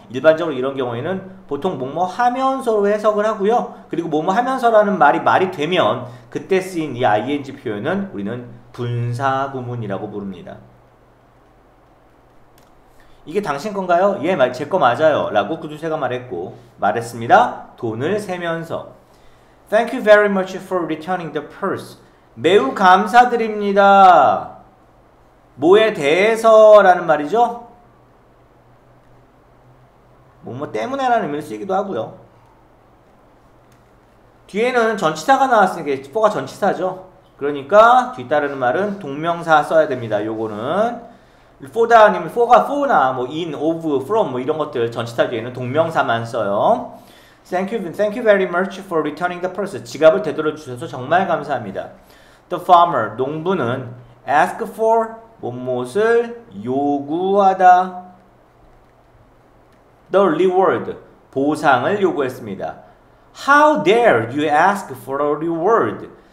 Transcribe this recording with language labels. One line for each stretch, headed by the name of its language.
Korean: 일반적으로 이런 경우에는 보통 뭐뭐 하면서로 해석을 하고요. 그리고 뭐뭐 하면서라는 말이 되면 그때 쓰인 이 ing 표현은 우리는 분사구문이라고 부릅니다. 이게 당신 건가요? 예, 제거 맞아요. 라고 구두쇠가 말했습니다. 돈을 세면서.
English: Thank you very much for returning the purse.
Korean: 매우 감사드립니다. 뭐에 대해서라는 말이죠? 뭐뭐 때문에라는 의미를 쓰기도 하고요. 뒤에는 전치사가 나왔으니까 for가 전치사죠. 그러니까 뒤따르는 말은 동명사 써야 됩니다. 요거는 for다 아니면 for가 for나 뭐 in, of, from 뭐 이런 것들 전치사 뒤에는 동명사만 써요.
English: Thank you very much for returning the purse.
Korean: 지갑을 되돌려 주셔서 정말 감사합니다.
English: The farmer,
Korean: 농부는
English: ask for
Korean: 뭐뭇을 요구하다.
English: The reward,
Korean: 보상을 요구했습니다.
English: How dare you ask for a reward?